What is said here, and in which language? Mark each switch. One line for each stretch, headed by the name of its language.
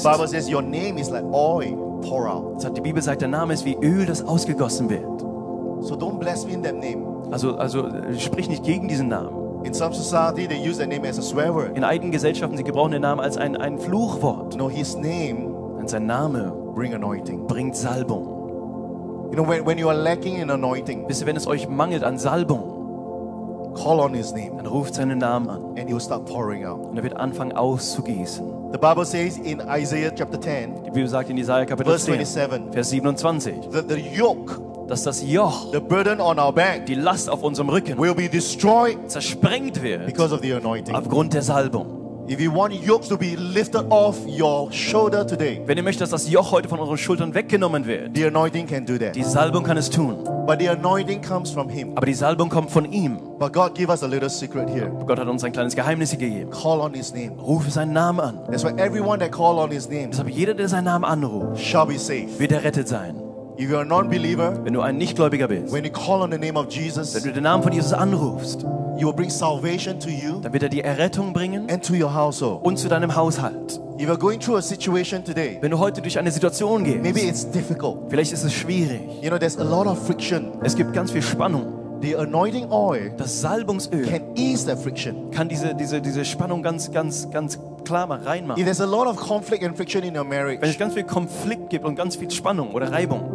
English: the Bible says your name is like oil poured out.
German: Das hat die Bibel sagt, der Name ist wie Öl, das ausgegossen wird.
English: So don't blaspheme that name.
German: Also sprich nicht gegen diesen Namen.
English: In some society they use that name as a swear word.
German: In einigen Gesellschaften sie gebrauchen den Namen als ein Fluchwort.
English: No, his name.
German: Und sein Name
English: bring anointing.
German: Bringt Salbung.
English: You know, when you are lacking in anointing.
German: Wisst ihr, wenn es euch mangelt an Salbung.
English: Call on his name.
German: Dann ruft seinen Namen an.
English: And he will start pouring out.
German: Und er wird anfangen auszugießen.
English: The Bible says in Isaiah chapter 10.
German: Die Bibel sagt in Jesaja Kapitel 10.
English: Verse 27.
German: Vers 27.
English: The yoke.
German: Dass das Joch,
English: the burden on our back,
German: die Last auf unserem Rücken,
English: will be destroyed,
German: zersprengt wird,
English: because of the anointing,
German: aufgrund der Salbung.
English: If you want yokes to be lifted off your shoulder today,
German: wenn ihr möchtet, dass das Joch heute von euren Schultern weggenommen wird,
English: the anointing can do that.
German: Die Salbung kann es tun.
English: But the anointing comes from him.
German: Aber die Salbung kommt von ihm.
English: But God give us a little secret here.
German: Gott hat uns ein kleines Geheimnis gegeben.
English: Call on his name.
German: Rufe seinen Namen an.
English: That's why everyone that call on his name,
German: deshalb jeder, der seinen Namen anruft,
English: shall be safe.
German: Wird errettet sein.
English: If you are a non-believer,
German: wenn du ein Nichtgläubiger bist,
English: when you call on the name of Jesus,
German: wenn du den Namen von Jesus anrufst,
English: you will bring salvation to you,
German: dann wird er die Errettung bringen,
English: and to your household,
German: und zu deinem Haushalt.
English: If you are going through a situation today,
German: wenn du heute durch eine Situation gehst,
English: maybe it's difficult,
German: vielleicht ist es schwierig.
English: You know, there's a lot of friction.
German: Es gibt ganz viel Spannung.
English: The anointing oil,
German: das Salbungsöl,
English: can ease that friction.
German: Kann diese Spannung ganz klar mal reinmachen.
English: If there's a lot of conflict and friction in your marriage,
German: wenn es ganz viel Konflikt gibt und ganz viel Spannung oder Reibung,